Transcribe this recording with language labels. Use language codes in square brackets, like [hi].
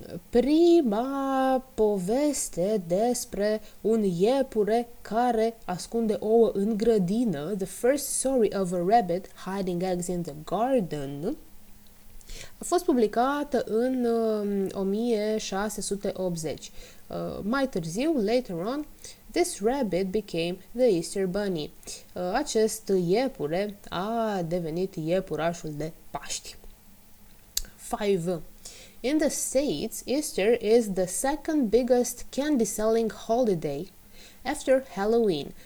[ro] Prima poveste despre un iepure care ascunde ouă în grădină, the first story of a rabbit hiding eggs in the garden, a fost publicată în 1680. [en] Mai târziu, later on, this rabbit became the Easter Bunny. [ro] Acest iepure a devenit iepurașul de Paști. 5. [en] In the States, Easter is the second biggest candy-selling holiday after Halloween.